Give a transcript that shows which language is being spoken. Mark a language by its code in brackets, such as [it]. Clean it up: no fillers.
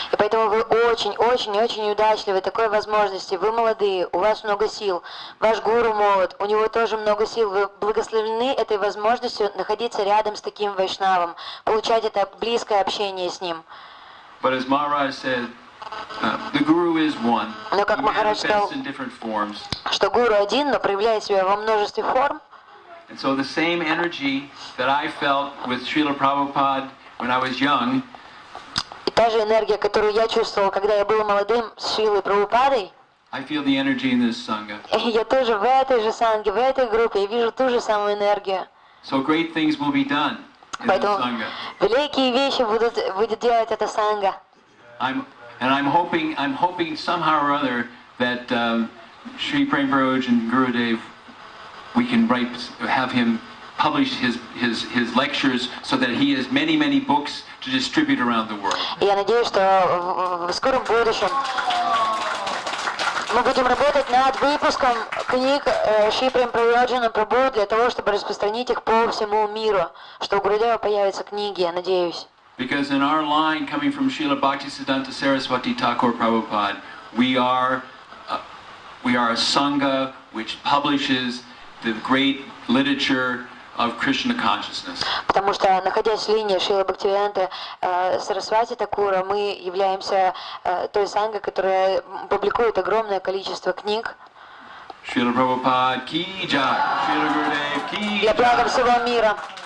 [ru] И поэтому вы очень удачливы, такой возможности. Вы молодые, у вас много сил. Ваш гуру молод, у него тоже много сил. Вы благословлены этой возможностью находиться рядом с таким вайшнавом, получать это близкое общение с ним. [en] But as Maharaj said, the guru is one. [ru] Но как Махарадж сказал, что гуру один, но проявляет себя во множестве форм. [en] And so the same energy that I felt with Srila Prabhupada when I was young. [ru] И та же энергия, которую я чувствовал, когда я был молодым, с Шрилой Прабхупадой. [en] I feel the energy in this sangha. [ru] Я тоже в этой же санге, в этой группе, я вижу ту же самую энергию. [en] So great things will be done in [ru] Поэтому [en] this sangha. [ru] Великие вещи будет делать эта санга. [en] I'm hoping somehow or other that Sri Prem Brooch and Gurudev, we can write, have him publish his lectures so that he has many, many books to distribute around the world. [ru] Я надеюсь, что в скором будущем мы будем работать над выпуском книг Шри Прем Прабхуджана Прабху для того, чтобы распространить их по всему миру, что у Гурудева появятся книги, я надеюсь. [en] Because in our line, coming from Srila Bhaktisiddhanta Saraswati Thakur Prabhupada, we are a sangha which publishes the great literature of Krishna consciousness. [ru] Потому что находясь в линии Шрилы Бхактивиданты Сарасвати Такура, мы являемся той сангой, которая публикует огромное количество книг. Шрила Прабхупада ки джай. Шрила Гурудев ки джай. Для блага всего мира.